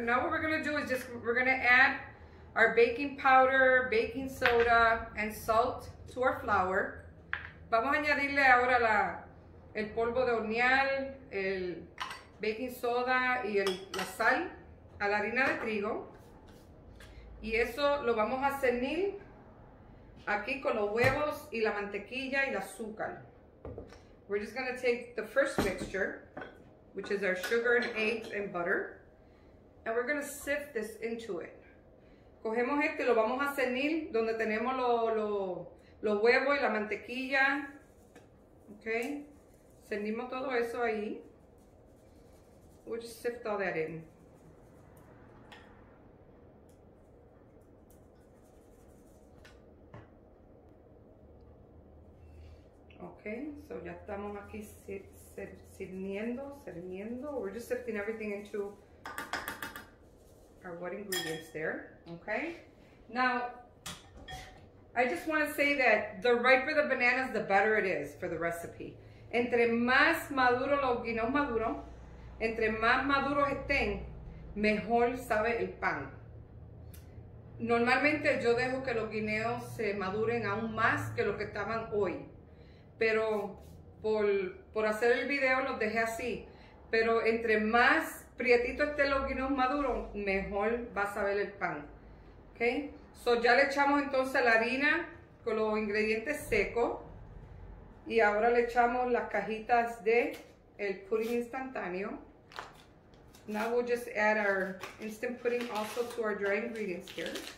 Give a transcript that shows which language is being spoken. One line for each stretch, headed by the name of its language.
English: Now what we're going to do is just, we're going to add our baking powder, baking soda, and salt to our flour.
Spanish: Vamos a añadirle ahora el polvo de hornear, el baking soda y la sal a la harina de trigo, y eso lo vamos a cernir aquí con los huevos y la mantequilla y el azúcar.
English: We're just going to take the first mixture, which is our sugar and eggs and butter, and we're going to sift this into it.
Spanish: Cogemos este y lo vamos a cernir donde tenemos los huevos y la mantequilla.
English: Okay,
Spanish: cernimos todo eso ahí.
English: We'll just sift all that in.
Spanish: Okay, so ya estamos aquí cerniendo.
English: We're just sifting everything into our wet ingredients there. Okay, now I just want to say that the riper the bananas, the better it is for the recipe.
Spanish: Entre más maduro los guinos maduros, entre más maduros estén, mejor sabe el pan. Normalmente yo dejo que los guineos se maduren aún más que lo que estaban hoy. Pero por hacer el video los dejé así. Pero entre más prietito esté los guineos maduros, mejor va a saber el pan. Ok. So ya le echamos entonces la harina con los ingredientes secos. Y ahora le echamos las cajitas de el pudding instantáneo.
English: Now we'll just add our instant pudding also to our dry ingredients here.